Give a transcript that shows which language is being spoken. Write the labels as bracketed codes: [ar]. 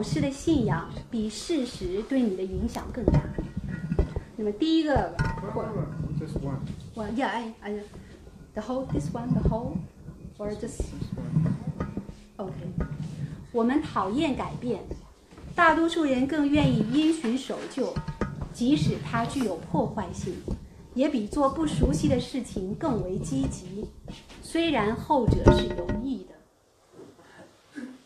[zh] 那好，第一章呢，是我不能改变弥天大皇关于真理的信念。你对某事的信仰比事实对你的影响更大。那么第一个 [en] just one. Well, yeah, I the whole, this one, the whole, or just, okay. [zh] 我们讨厌改变，大多数人更愿意依循守旧，即使它具有破坏性，也比做不熟悉的事情更为积极，虽然后者是容易的。